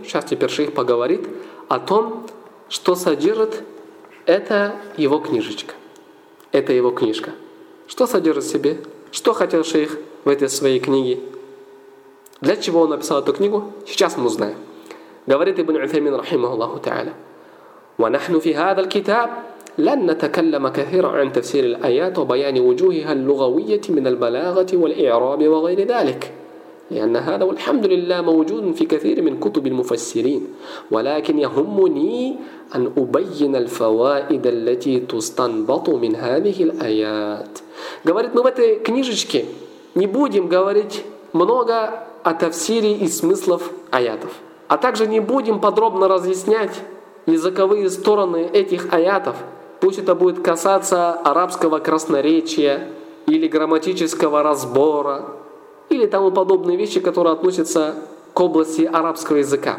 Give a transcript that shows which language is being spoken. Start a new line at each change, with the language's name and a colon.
Russian: Сейчас теперь шейх поговорит о том, что содержит эта его книжечка. Это его книжка. Что содержит в себе? Что хотел шейх в этой своей книге? Для чего он написал эту книгу? Сейчас мы узнаем. Говорит Ибн Утаймин, рахимахуллаху тааля.
Arabic: وَنَحْنُ فِي هَذَا الْكِتَابِ لن نتكلم كثيرا عن تفسير الآيات وبيان وجوهها اللغوية من البلاغة والإعراب وغير ذلك لأن هذا والحمد لله موجود في كثير من كتب المفسرين ولكن يهمني أن أبين الفوائد التي تستنبط من هذه الآيات.
Russian: Говорит, мы в этой книжечке не будем говорить много о тафсире и смыслов аятов, а также не будем подробно разъяснять языковые стороны этих аятов. Пусть это будет касаться арабского красноречия или грамматического разбора или тому подобные вещи, которые относятся к области арабского языка.